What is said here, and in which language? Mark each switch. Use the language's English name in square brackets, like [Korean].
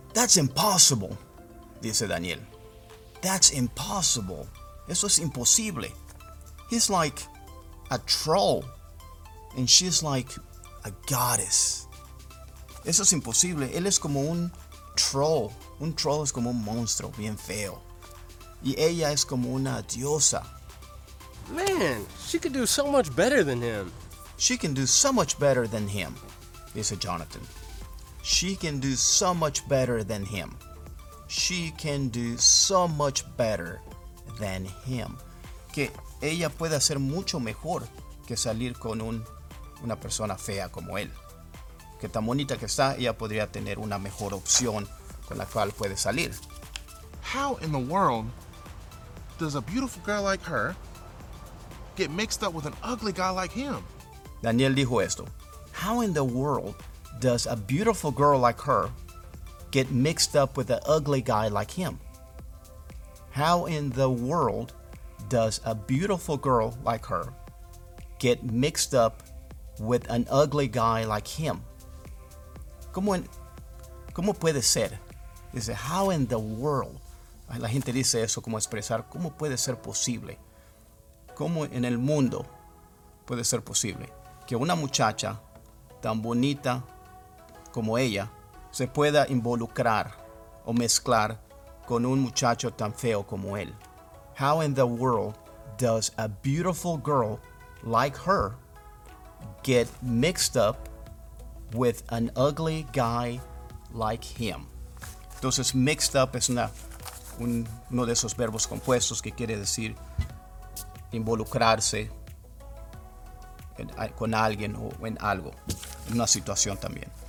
[English] That's impossible, [Spanish] dice Daniel. [English] That's impossible. [Spanish] Eso es imposible. [English] He's like a troll. And she's like a goddess. [Spanish] Eso es imposible. Él es como un... troll. Un troll es como un monstruo, bien feo. Y ella es como una diosa. [English] Man, she could do so much better than him. She can do so much better than him, [Spanish] dice Jonathan. [English] She can do so much better than him. She can do so much better than him. [Spanish] Que ella puede hacer mucho mejor que salir con una persona fea como él. Que tan bonita que está, ella podría tener una mejor opción con la cual puede salir. [English] How in the world does a beautiful girl like her get mixed up with an ugly guy like him? [Spanish] Daniel dijo esto. [English] How in the world does a beautiful girl like her get mixed up with an ugly guy like him? How in the world does a beautiful girl like her get mixed up with an ugly guy like him? [Spanish] ¿Cómo puede ser? Dice, [English] how in the world? [Spanish] La gente dice eso como expresar, ¿cómo puede ser posible? ¿Cómo en el mundo puede ser posible que una muchacha tan bonita como ella se pueda involucrar o mezclar con un muchacho tan feo como él? [English] How in the world does a beautiful girl like her get mixed up with an ugly guy like him? [Spanish] Entonces, mixed up es uno de esos verbos compuestos que quiere decir involucrarse con alguien o en algo, en una situación también.